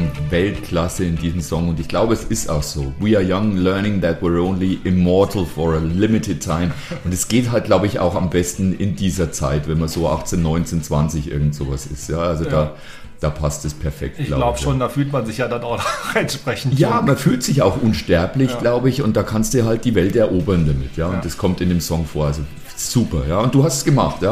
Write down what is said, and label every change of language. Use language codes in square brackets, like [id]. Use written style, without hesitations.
[de] Weltklasse in diesem Song und ich glaube, es ist auch so. [en] We are young, learning that we're only immortal for a limited time. [de] Und es geht halt, glaube ich, auch am besten in dieser Zeit, wenn man so 18, 19, 20 irgend sowas ist. Ja, also ja. Da passt es perfekt, glaube ich. Glaub schon, da fühlt man sich ja dann auch entsprechend. Ja, jung. Man fühlt sich auch unsterblich, ja. Glaube ich, und da kannst du halt die Welt erobern damit. Ja, und ja. Das kommt in dem Song vor. Also super, ja. Und du hast es gemacht, ja.